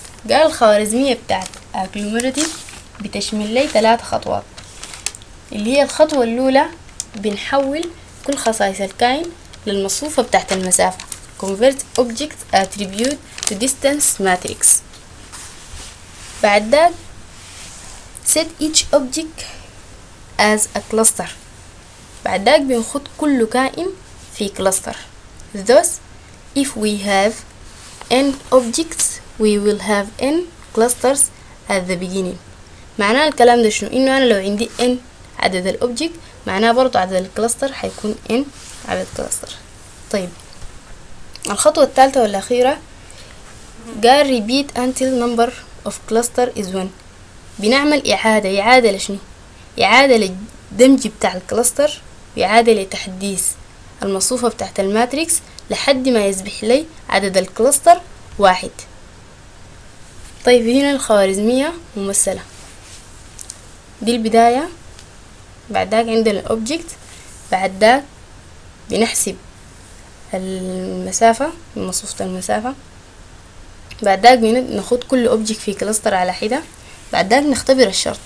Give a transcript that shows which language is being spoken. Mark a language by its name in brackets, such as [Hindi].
[Arabic] قال الخوارزمية بتاعت اجلوميراتيف بتشمل لي 3 خطوات، اللي هي الخطوة الأولى بنحول كل خصائص الكائن للمصفوفة بتاعت المسافة، [English] convert object attribute to distance matrix. [Arabic] بعد ذلك [English] set each object as a cluster. [Arabic] بعد ذلك بنخد كل كائن في cluster. [English] thus if we have n objects we will have n clusters at the beginning. [Arabic] معناه الكلام ده شنو، انه انا لو عندي n عدد الاوبجكت معناه برضو عدد الكلاستر حيكون n عدد الكلاستر. طيب الخطوة الثالثة والأخيرة قال [English] repeat until number of cluster is 1. [Arabic] بنعمل إعادة. إعادة لشنو؟ إعادة لدمج بتاع الكلاستر، وإعادة لتحديث المصفوفة بتاعت الماتريكس لحد ما يصبح لي عدد الكلاستر 1. طيب هنا الخوارزمية ممثلة، دي البداية، بعد ذاك عندنا الأوبجكت، بعد ذاك بنحسب المسافة من مصفوفة المسافة، بعد ذاك بناخد كل أوبجكت في كلاستر على حدة، بعد ذاك نختبر الشرط.